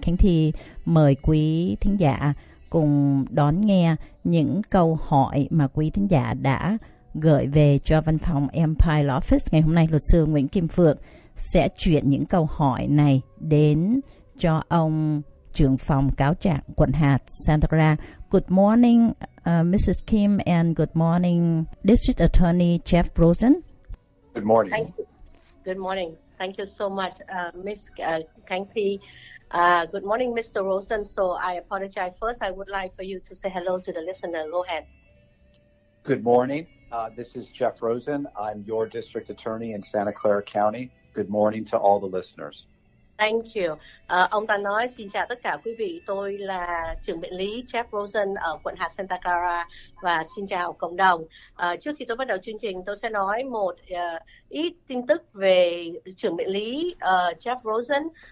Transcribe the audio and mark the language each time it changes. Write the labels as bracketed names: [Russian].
[Vietnamese] Khánh Thi mời quý thính giả cùng đón nghe những câu hỏi mà quý thính giả đã gửi về cho văn phòng Empire Law Office. Ngày hôm nay luật sư Nguyễn Kim Phượng sẽ chuyển những câu hỏi này đến cho ông trưởng phòng cáo trạng quận hạt Santa Clara. [English] Good morning, Mrs. Kim, and good morning, District Attorney Jeff Brosen. Good morning. Thank you. Good morning. Thank you so much, Ms. Kang Thi. Good morning, Mr. Rosen. So I apologize. First, I would like for you to say hello to the listener. Go ahead. Good morning. This is Jeff Rosen. I'm your district attorney in Santa Clara County. Good morning to all the listeners. Thank you. [Vietnamese] Ông ta nói, xin chào tất cả quý vị. Tôi là trưởng biện lý Jeff Rosen ở quận hạt Santa Clara và xin chào cộng đồng. Trước khi tôi bắt đầu chương trình, tôi sẽ nói một ít tin tức về trưởng biện lý Jeff Rosen.